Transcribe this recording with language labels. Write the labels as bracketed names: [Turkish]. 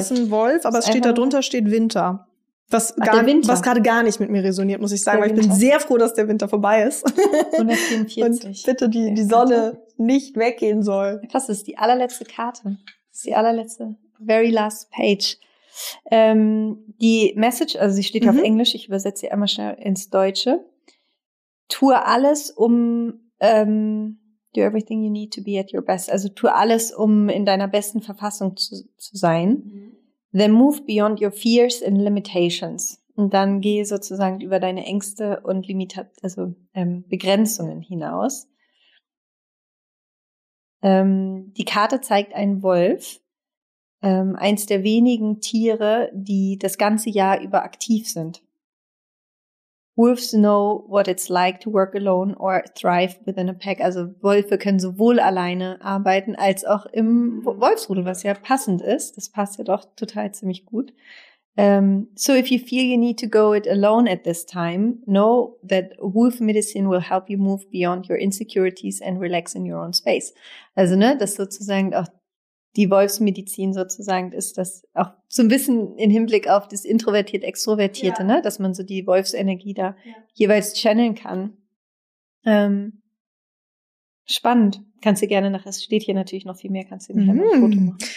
[German] Es ist ein Wolf, aber es steht da drunter, steht Winter. Was gerade gar nicht mit mir resoniert, muss ich sagen, weil ich bin sehr froh, dass der Winter vorbei ist. 144. Und bitte die Sonne nicht weggehen soll. Das ist die allerletzte Karte. Das ist die allerletzte, [English] very last page. [German] Die Message, also sie steht auf Englisch, ich übersetze sie einmal schnell ins Deutsche. Tue alles, um [English] do everything you need to be at your best. [German] Also tue alles, um in deiner besten Verfassung zu sein. [English] Then move beyond your fears and limitations. [German] Und dann gehe sozusagen über deine Ängste und Begrenzungen hinaus. Die Karte zeigt einen Wolf, eins der wenigen Tiere, die das ganze Jahr über aktiv sind. [English] Wolves know what it's like to work alone or thrive within a pack. [German] Also Wölfe können sowohl alleine arbeiten als auch im Wolfsrudel, was ja passend ist. Das passt ja doch total ziemlich gut. [English] So if you feel you need to go it alone at this time, know that wolf medicine will help you move beyond your insecurities and relax in your own space. [German] Also ne, das sozusagen auch die Wolfsmedizin sozusagen ist das auch zum Wissen in Hinblick auf das Introvertiert-Extrovertierte, ja, ne, dass man so die Wolfsenergie da, ja, jeweils channeln kann. Spannend. Kannst du gerne nach, es steht hier natürlich noch viel mehr, kannst du gerne ein Foto machen.